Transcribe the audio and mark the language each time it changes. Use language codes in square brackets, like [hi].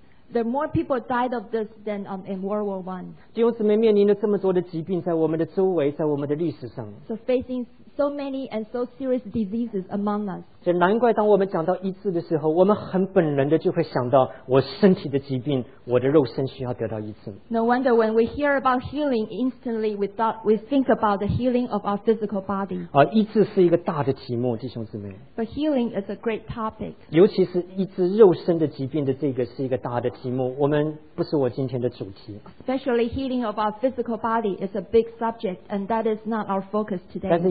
[en] There are more people died of this than in World War I. [zh] 弟兄姊妹面临了这么多的疾病在我们的周围，在我们的历史上。 [en] So facing so many and so serious diseases among us. [zh] 难怪当我们讲到医治的时候，我们很本能的就会想到我身体的疾病，我的肉身需要得到医治。 [en] No wonder when we hear about healing, instantly we think about the healing of our physical body. [zh] 医治是一个大的题目，弟兄姊妹。 [en] But healing is a great topic. [zh] 尤其是医治肉身的疾病的这个是一个大的题目，我们不是我今天的主题。 [en] Especially healing of our physical body is a big subject, and that is not our focus today.